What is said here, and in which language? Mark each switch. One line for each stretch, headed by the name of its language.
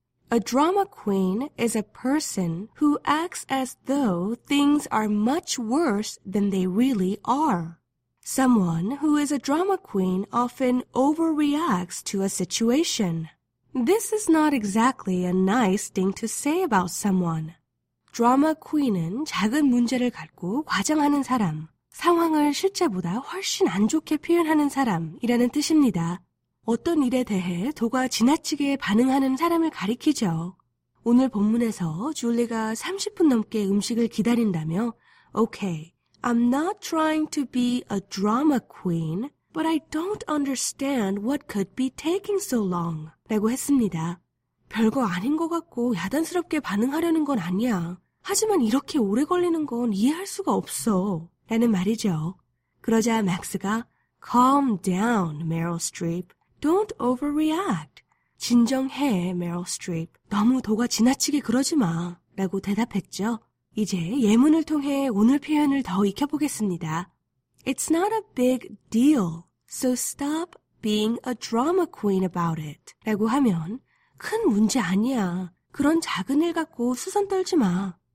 English: A drama queen is a person who acts as though things are much worse than they really are. Someone who is a drama queen often overreacts to a situation. This is not exactly a nice thing to say about someone.
Korean: 드라마 퀸은 작은 문제를 갖고 과장하는 사람, 상황을 실제보다 훨씬 안 좋게 표현하는 사람이라는 뜻입니다. 어떤 일에 대해 도가 지나치게 반응하는 사람을 가리키죠. 오늘 본문에서 줄리가 30분 넘게 음식을 기다린다며
English: Okay, I'm not trying to be a drama queen, but I don't understand what could be taking so long
Korean: 라고 했습니다. 별거 아닌 것 같고 야단스럽게 반응하려는 건 아니야. 하지만 이렇게 오래 걸리는 건 이해할 수가 없어. 라는 말이죠. 그러자 맥스가
English: Calm down, Meryl Streep. Don't overreact.
Korean: 진정해,
English: Meryl Streep.
Korean: 너무 도가 지나치게 그러지 마. 라고 대답했죠. 이제 예문을 통해 오늘 표현을 더 익혀보겠습니다.
English: It's not a big deal, so stop being a drama queen about it.
Korean: 라고 하면 큰 문제 아니야. 그런 작은 일 갖고 수선 떨지 마.